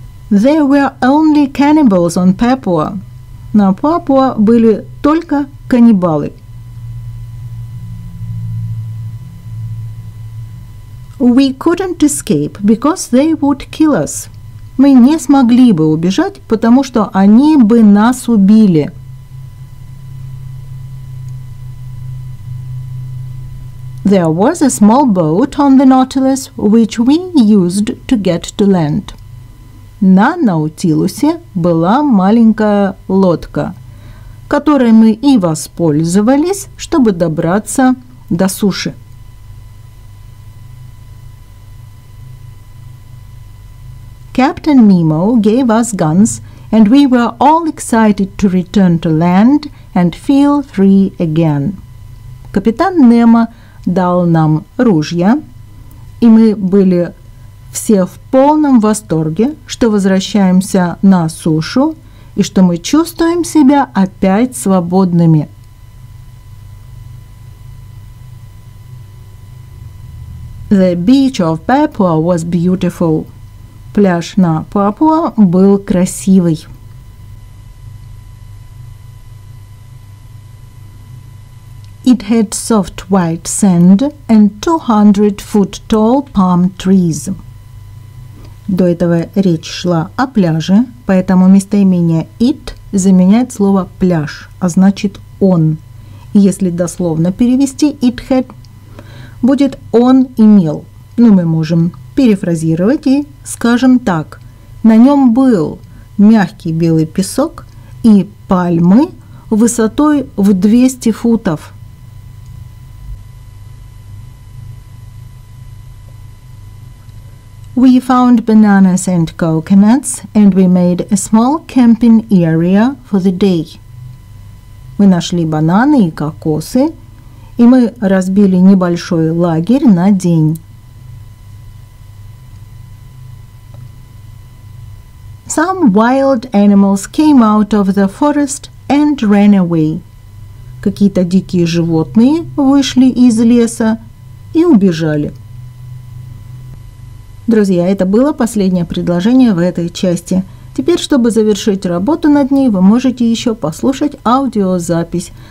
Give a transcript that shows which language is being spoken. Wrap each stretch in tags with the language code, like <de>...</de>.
<en>There were only cannibals on Papua.</en> <ru>На Папуа были только каннибалы.</ru> <en>We couldn't escape, because they would kill us.</en> <ru>Мы не смогли бы убежать, потому что они бы нас убили.</ru> <en>There was a small boat on the Nautilus, which we used to get to land.</en> <ru>На Наутилусе была маленькая лодка, которой мы и воспользовались, чтобы добраться до суши.</ru> <en>Captain Nemo gave us guns, and we were all excited to return to land and feel free again.</en> <ru>Капитан Немо дал нам ружья, и мы были все в полном восторге, что возвращаемся на сушу и что мы чувствуем себя опять свободными.</ru> <en>The beach of Papua was beautiful.</en> <ru>Пляж на Папуа был красивый.</ru> <en>It had soft white sand and 200-foot tall palm trees.</en> <ru>До этого речь шла о пляже, поэтому местоимение it заменяет слово пляж, а значит он. Если дословно перевести it had, будет он имел. Но мы можем перефразировать и скажем так. На нем был мягкий белый песок и пальмы высотой в 200 футов.</ru> <en>We found bananas and coconuts, and we made a small camping area for the day.</en> <ru>Мы нашли бананы и кокосы, и мы разбили небольшой лагерь на день.</ru> <en>Some wild animals came out of the forest and ran away.</en> <ru>Какие-то дикие животные вышли из леса и убежали. Друзья, это было последнее предложение в этой части. Теперь, чтобы завершить работу над ней, вы можете еще послушать аудиозапись.</ru>